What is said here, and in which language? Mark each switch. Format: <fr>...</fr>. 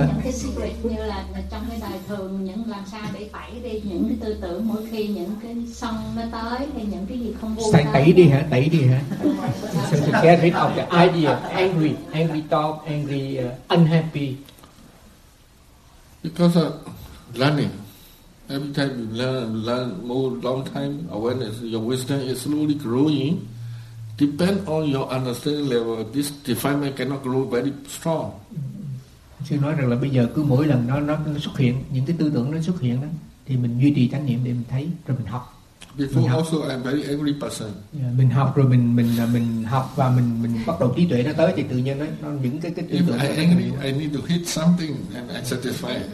<vi>Những cái secret như là trong cái đời thường, những làm sao để tẩy đi những cái tư tưởng mỗi khi những cái sông nó tới hay những cái gì không vui. Tẩy đi hả?</vi> <en>So to get rid of the idea of angry, unhappy. Because of learning. Every time you learn more long time awareness, your wisdom is slowly growing. Depend on your understanding level, this defilement cannot grow very strong.</en> <vi>Sư nói rằng là bây giờ cứ mỗi lần nó xuất hiện, những cái tư tưởng nó xuất hiện đó, thì mình duy trì chánh niệm để mình thấy rồi mình học.</vi> <en>Before</en> <vi>mình học.</vi> <en>Also I'm very angry person.</en> <vi>Yeah, mình học rồi mình học và mình bắt đầu trí tuệ nó tới thì tự nhiên nó những cái tư</vi> <en>If</en> <vi>tưởng.</vi> <en>If I angry, I need to hit something and I satisfy.</en>